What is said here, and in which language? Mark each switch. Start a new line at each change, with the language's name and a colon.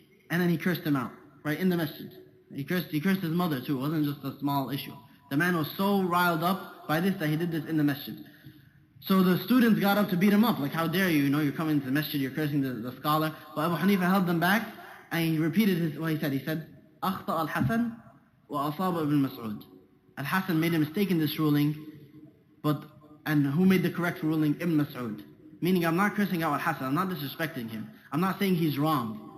English: And then he cursed him out, right, in the masjid. He cursed his mother too. It wasn't just a small issue. The man was so riled up by this that he did this in the masjid. So the students got up to beat him up. Like, how dare you? You know, you're coming to the masjid, you're cursing the scholar. But Abu Hanifa held them back, and he repeated what he said. He said,
Arabic: أخطأ الحسن وأصاب ابن مسعود.
English: Al-Hasan made a mistake in this ruling, and who made the correct ruling? Ibn Mas'ud. Meaning, I'm not cursing out Al-Hasan. I'm not disrespecting him. I'm not saying he's wrong.